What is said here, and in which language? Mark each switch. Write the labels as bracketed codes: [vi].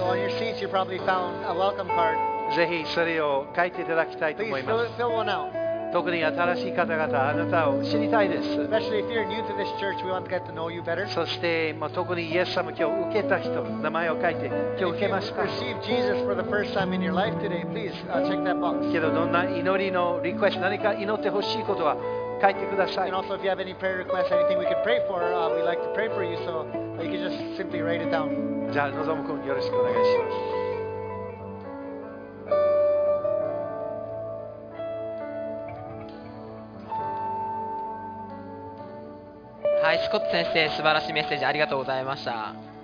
[en] So on your seats you probably found a welcome card. [ja] ぜひそれを書いていただきたいと思います。 [en] Please fill one out. [ja] 特に新しい方々、あなたを知りたいです。 [en] Especially if you're new to this church, we want to get to know you better. [ja] そして、まあ、特にイエス様を今日受けた人、名前を書いて、今日受けました。 [en] If you receive Jesus for the first time in your life today, please check that box. [ja] けどどんな祈りのリクエスト、何か祈ってほしいことは書いてください。 [en] And also, if you have any prayer requests, anything we can pray for, we'd like to pray for you, so you can just simply write it down. [ja] じゃあ、のぞむ君、よろしくお願いします。はい、スコット先生、素晴らしいメッセージありがとうございました。